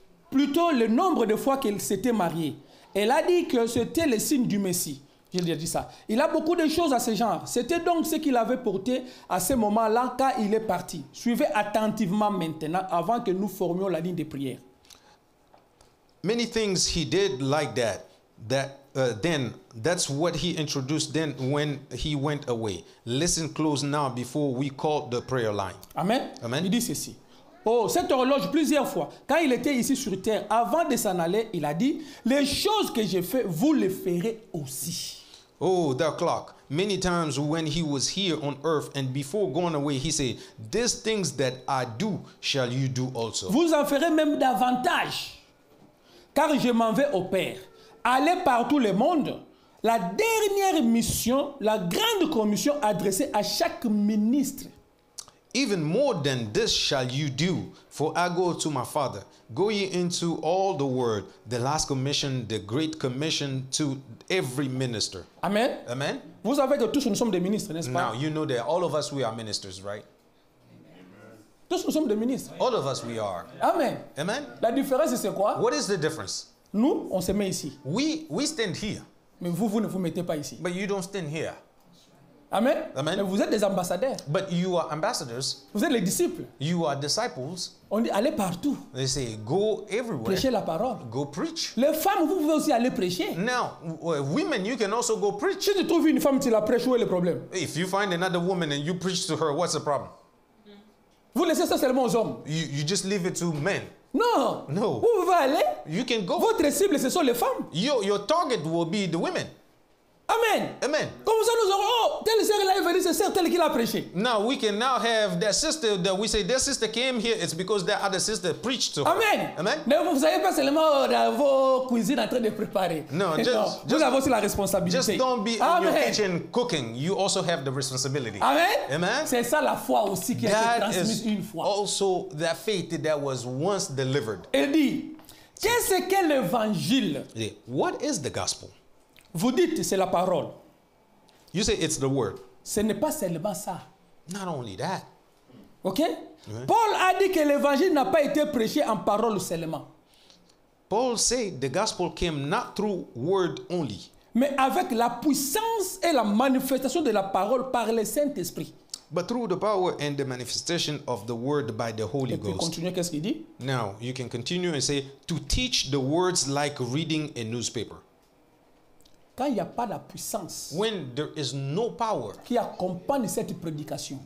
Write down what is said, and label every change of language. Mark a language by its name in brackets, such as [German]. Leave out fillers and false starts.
[French] Plutôt le nombre de fois qu'elle s'était mariée. Elle a dit que c'était le signe du Messie. Je lui ai dit ça. Il a beaucoup de choses à ce genre. C'était donc ce qu'il avait porté à ce moment-là quand il est parti. Suivez attentivement maintenant avant que nous formions la ligne de prière. [English] Many things he did like that. Then that's what he introduced then when he went away. Listen close now before we call the prayer line. [French] Amen. [English] Amen. [French] Il dit ceci. Oh, cette horloge, plusieurs fois, quand il était ici sur terre, avant de s'en aller, il a dit, les choses que j'ai faites, vous les ferez aussi. [English] Oh, the clock. Many times when he was here on earth and before going away, he said, these things that I do, shall you do also. [French] Vous en ferez même davantage, car je m'en vais au Père. Allez partout le monde. La dernière mission, la grande commission adressée à chaque ministre. [English] Even more than this shall you do, for I go to my Father. Go ye into all the world, the last commission, the great commission to every minister. [French] Amen. [English] Amen. [French] Vous savez que tous nous sommes des ministres, n'est-ce pas? [English] Now, you know that all of us, we are ministers, right? [French] Amen. Tous nous sommes des ministres. [English] All of us, we are. [French] Amen. [English] Amen. [French] La différence, c'est quoi? [English] What is the difference? [French] Nous, on se met ici. [English] We stand here. [French] Mais vous, vous ne vous mettez pas ici. [English] But you don't stand here. [French] Amen. [English] Amen. [French] Mais vous êtes des ambassadeurs. [English] But you are ambassadors. [French] Vous êtes les disciples. [English] You are disciples. [French] On dit allez partout. [English] They say go everywhere. [French] Prêchez la parole. [English] Go preach. [French] Les femmes, vous pouvez aussi aller prêcher. [English] Now, women, you can also go preach. [French] Si tu trouves une femme, tu la prêches, où est le problème? [English] If you find another woman and you preach to her, what's the problem? [French] Vous laissez ça seulement aux hommes. [English] You just leave it to men. [French] Non. [English] No. [French] Vous pouvez aller. [English] You can go. [French] Votre cible, ce sont les femmes. [English] Your target will be the women. [French] Amen. [English] Amen. [French] Comme ça, nous aurons, oh, telle sœur est venue, c'est celle qui l'a prêché. [English] Now, we can now have that sister that we say, that sister came here, it's because that other sister preached to her. [French] Amen. [English] Amen. [French] Mais vous n'avez pas seulement dans vos cuisines en train de préparer. Non, vous avez aussi la responsabilité. [English] Just don't be Amen. In your kitchen cooking. You also have the responsibility. [French] Amen. [English] Amen. [French] C'est ça la foi aussi qui [English] that [French] a été transmise une fois. [English] Also, that faith that was once delivered. [French] Il dit, qu'est-ce qu'est l'évangile? [English] What is the gospel? [French] Vous dites c'est la parole. [English] You say it's the word. [French] Ce n'est pas seulement ça. [English] Not only that. OK? Mm-hmm. [French] Paul a dit que l'évangile n'a pas été prêché en parole seulement. [English] Paul said the gospel came not through word only. [French] Mais avec la puissance et la manifestation de la parole par le Saint-Esprit. [English] But through the power and the manifestation of the word by the Holy [French] Et puis [English] Ghost. [French] Continue, qu'est-ce qu'il dit? [English] Now, you can continue and say to teach the words like reading a newspaper. [French] Quand il n'y a pas la puissance [English] when there is no power [French] qui accompagne cette prédication,